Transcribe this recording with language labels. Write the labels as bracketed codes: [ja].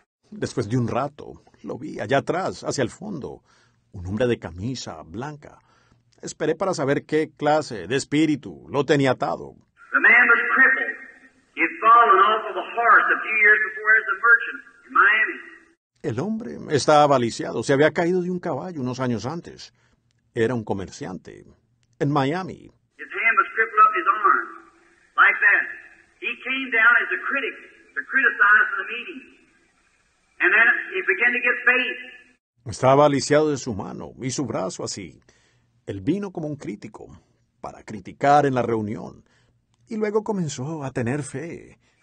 [es] Después de un rato, lo vi allá atrás, hacia el fondo. Un hombre de camisa blanca. Esperé para saber qué clase de espíritu lo tenía atado. [en] The man was crippled. He had fallen off of a horse a few years before as a merchant in Miami. [es] El hombre estaba lisiado. Se había caído de un caballo unos años antes. Era un comerciante en Miami. [en] His hand was crippled up his arm like that. He came down as a critic to criticize the meeting. And then he began to get faith. [es] Estaba lisiado de su mano y su brazo así. Él vino como un crítico para criticar en la reunión y luego comenzó a tener fe.